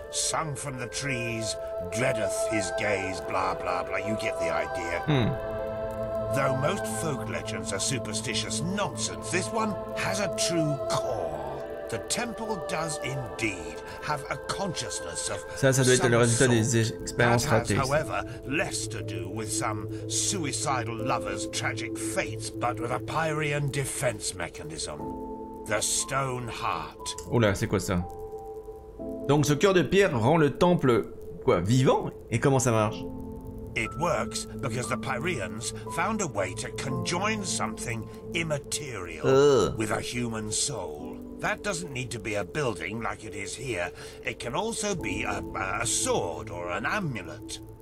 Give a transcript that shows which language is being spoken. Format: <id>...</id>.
<en>sung from the trees, dreadeth his gaze, blah, blah, blah. You get the idea. Hmm. Though most folk legends are superstitious nonsense, this one has a true core. The temple does indeed have a consciousness of</en> <fr>ça doit être le résultat des expériences ratées.</fr> <en>That has, however, less to do with some suicidal lover's tragic fates, but with a Pyrian defense mechanism. The stone heart.</en> <fr>Oula, c'est quoi ça? Donc ce cœur de pierre rend le temple quoi vivant? Et comment ça marche?</fr> <en>It works because the Pyreans found a way to conjoin something immaterial with a human soul. That doesn't need to be a building like it is here. It can also be a sword or an amulet.</en>